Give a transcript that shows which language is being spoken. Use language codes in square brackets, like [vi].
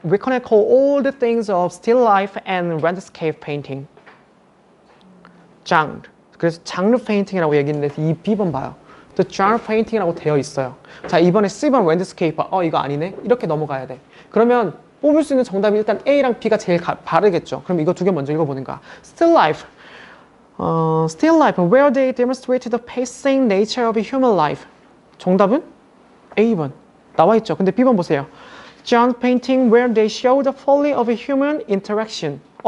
[en] We can call all the things of still life and landscape painting. Genre. [ko] 그래서 장르 페인팅이라고 얘기했는데 이 B번 봐요. [en] The genre painting [ko] 이라고 되어 있어요. 자, 이번에 C번 landscape. 이거 아니네. 이렇게 넘어가야 돼. 그러면 뽑을 수 있는 정답이 일단 A랑 B가 제일 바르겠죠. 그럼 이거 두 개 먼저 읽어보는 거야. [en] Still life. Still life. Where they demonstrate the pacing nature of human life. [ko] 정답은 A번. 나와 있죠. 근데 B번 보세요. [en] Genre painting where they show the folly of human interaction.